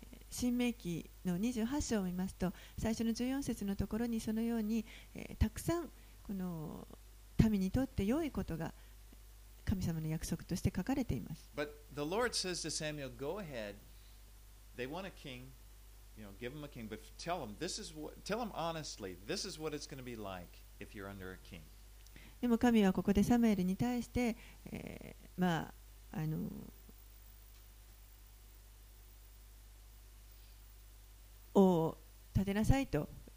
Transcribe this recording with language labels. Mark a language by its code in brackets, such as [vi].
[ja] 申命記の28章を見ますと、最初の14節のところにそのように、たくさんこの民にとって良いことが神様の約束として書かれています。 [en] But the Lord says to Samuel, go ahead. They want a king. You know, give them a king. But tell them, this is what, tell them honestly, this is what it's going to be like if you're under a king. [ja] でも神はここでサムエルに対して、まあ、王を立てなさいと